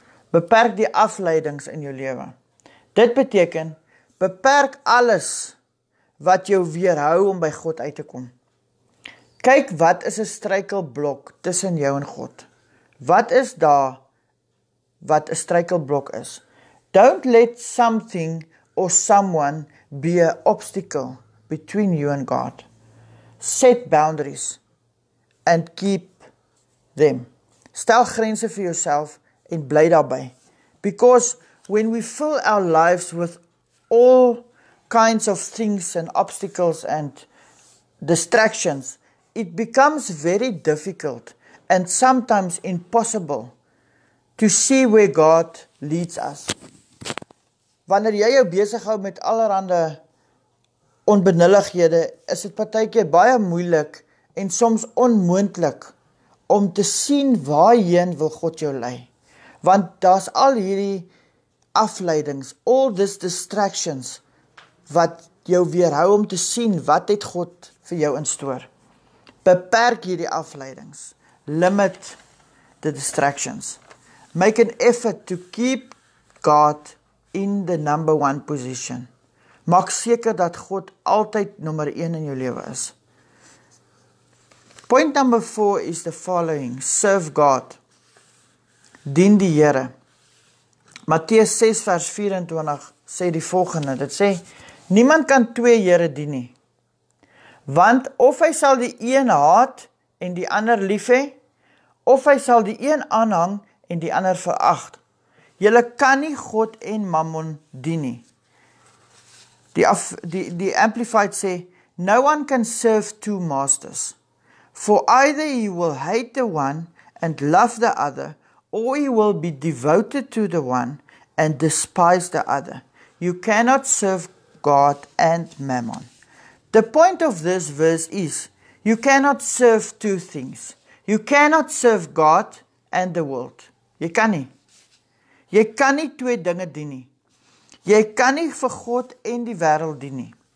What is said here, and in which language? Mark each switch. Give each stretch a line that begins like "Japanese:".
Afrikaans: Beperk die afleidings in jou lewe. Dit beteken, beperk alles wat jou weerhou om by God uit te kom. Kyk wat is 'n struikelblok tussen jou en God. Wat is daar wat 'n struikelblok is?
English: Don't let something or someone be an obstacle between you and God. Set boundaries and keep them.
Afrikaans: Stel grense vir jouself en bly daarby.
English: Because when we fill our lives with all kinds of things and obstacles and distractions, it becomes very difficult and sometimes impossible to see where God leads us.
Afrikaans: Wanneer jy jou besig hou met allerlei onbenullighede, is dit partykeer baie moeilik en soms onmoontlik om te sien waarheen wil God jou lei. Want daar's al hierdie afleidings,
English: all these distractions,
Afrikaans: wat jou weerhou om te sien wat het God vir jou in store. Beperk hierdie afleidings.
English: Limit the distractions. Make an effort to keep God in the number one position.
Afrikaans: Maak seker dat God altyd nummer 1 in jou lewe is.
English: Point number 4 is the following. Serve God.
Afrikaans: Dien die Here. Matteus 6 vers 24 sê die volgende. Dit sê, niemand kan twee Here dien nie. Want of hy sal die een haat en die ander lief hê, of hy sal die een aanhang en die ander verag. Julle kan nie God en Mammon dien nie. Die Amplified sê,
English: no one can serve two masters. For either he will hate the one and love the other, or he will be devoted to the one and despise the other. You cannot serve God and Mammon. The point of this verse is, you cannot serve two things. You cannot serve God and the world.
Afrikaans: Jy kan nie. Jy kan nie twee dinge dien nie. Jy kan nie vir God en die wêreld dien nie.